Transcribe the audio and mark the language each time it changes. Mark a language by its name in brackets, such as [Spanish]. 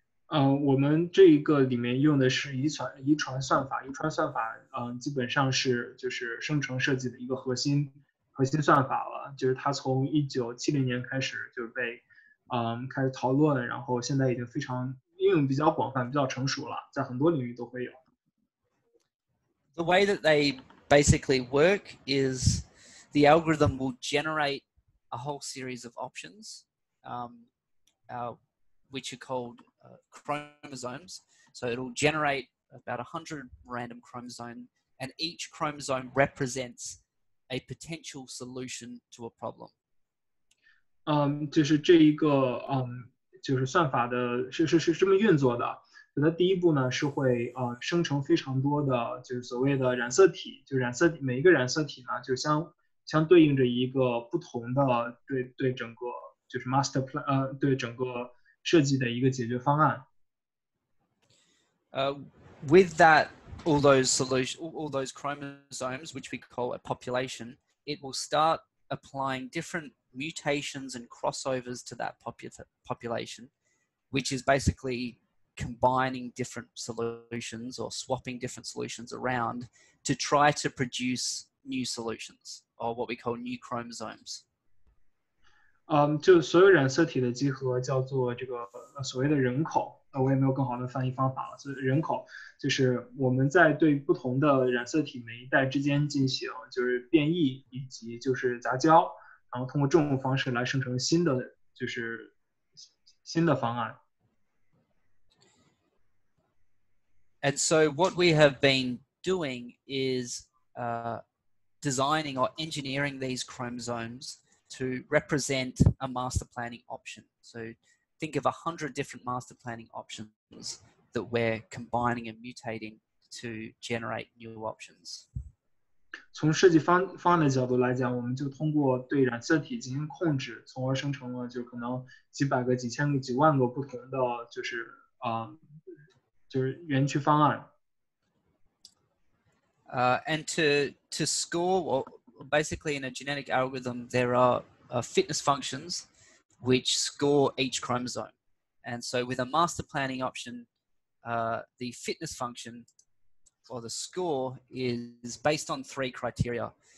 [Chinese] 我们这一个里面用的是遗传算法。遗传算法基本上是就是生成设计的一个核心算法了，就是它从1970年开始就被开始讨论，然后现在已经非常应用比较广泛，比较成熟了，在很多领域都会有。 [English] The way that they basically work is the algorithm will generate a whole series of options, which are called chromosomes. So it'll generate about 100 random chromosomes, and each chromosome represents a potential solution to a problem. [Chinese] 就是这一个就是算法的是这么运作的。那第一步呢是会生成非常多的就是所谓的染色体，就染色体每一个染色体呢就相对应着一个不同的对整个就是 master plan 对整个设计的一个解决方案。 [English] With that. All those chromosomes, which we call a population, it will start applying different mutations and crossovers to that population, which is basically combining different solutions or swapping different solutions around to try to produce new solutions or what we call new chromosomes. [Chinese] 就所有染色体的集合叫做这个所谓的人口。我也没有更好的翻译方法了。所以人口就是我们在对不同的染色体每一代之间进行就是变异以及就是杂交，然后通过这种方式来生成新的就是新的方案。 [English] And so what we have been doing is designing or engineering these chromosomes to represent a master planning option. So. Think of 100 different master planning options that we're combining and mutating to generate new options. [Chinese] 从设计方案的角度来讲，我们就通过对染色体进行控制，从而生成了就可能几百个、几千个、几万个不同的就是就是园区方案。 [English] And to score, or basically in a genetic algorithm, there are fitness functions. Which score each chromosome. And so with a master planning option, the fitness function or the score is based on three criteria.